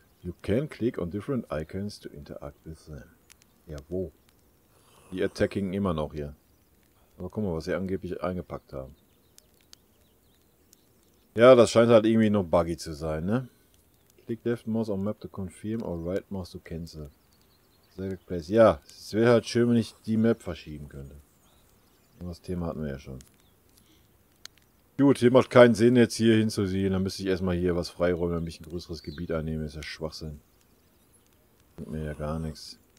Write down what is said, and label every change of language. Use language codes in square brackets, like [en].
[en] You can click on different icons to interact with them. [de] Ja, wo? Die attacking immer noch hier. Aber guck mal, was sie angeblich eingepackt haben. Ja, das scheint halt irgendwie noch buggy zu sein, ne? [en] Click left mouse on map to confirm or right mouse to cancel. [de] Ja, es wäre halt schön, wenn ich die Map verschieben könnte. Das Thema hatten wir ja schon. Gut, hier macht keinen Sinn, jetzt hier hinzusehen. Dann müsste ich erstmal hier was freiräumen, damit ich ein größeres Gebiet einnehme. Ist ja Schwachsinn. Bringt mir ja gar nichts.